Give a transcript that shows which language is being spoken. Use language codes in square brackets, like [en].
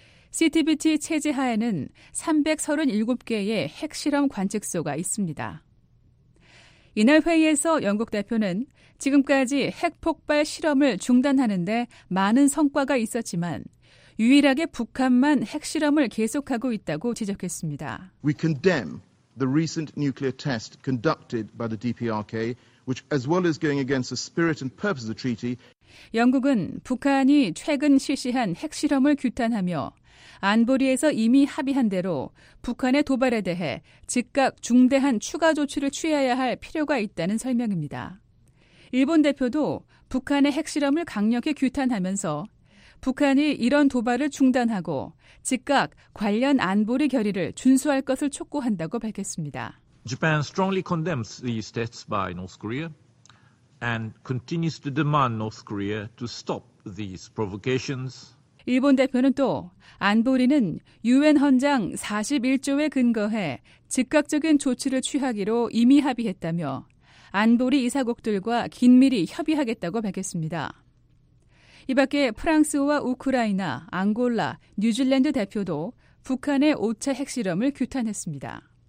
[ko] CTBT 체제 하에는 337개의 핵실험 관측소가 있습니다. 이날 회의에서 영국 대표는 지금까지 핵폭발 실험을 중단하는 데 많은 성과가 있었지만 유일하게 북한만 핵실험을 계속하고 있다고 지적했습니다. [en] We condemn the recent nuclear test conducted by the DPRK, which as well as going against the spirit and purpose of the treaty. [ko] 영국은 북한이 최근 실시한 핵실험을 규탄하며 안보리에서 이미 합의한 대로 북한의 도발에 대해 즉각 중대한 추가 조치를 취해야 할 필요가 있다는 설명입니다. 일본 대표도 북한의 핵실험을 강력히 규탄하면서 북한이 이런 도발을 중단하고 즉각 관련 안보리 결의를 준수할 것을 촉구한다고 밝혔습니다. [en] Japan strongly condemns these tests by North Korea and continues to demand North Korea to stop these provocations. [ko] 일본 대표는 또 안보리는 유엔 헌장 41조에 근거해 즉각적인 조치를 취하기로 이미 합의했다며 안보리 이사국들과 긴밀히 협의하겠다고 밝혔습니다. 이 밖에 프랑스와 우크라이나, 앙골라, 뉴질랜드 대표도 북한의 5차 핵실험을 규탄했습니다.